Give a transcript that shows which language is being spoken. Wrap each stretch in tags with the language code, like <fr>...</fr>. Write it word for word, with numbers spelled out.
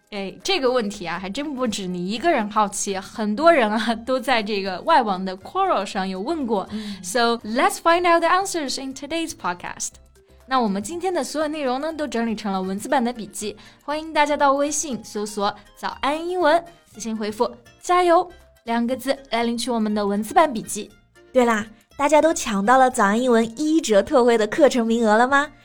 <zh>哎，这个问题啊，还真不止你一个人好奇，很多人啊都在这个外网的 Quora 上有问过。</zh> <en>So let's find out the answers in today's podcast.</en> <zh>那我们今天的所有内容呢，都整理成了文字版的笔记，欢迎大家到微信搜索“早安英文”，私信回复“加油”两个字来领取我们的文字版笔记。对啦，大家都抢到了早安英文一折特惠的课程名额了吗？</zh>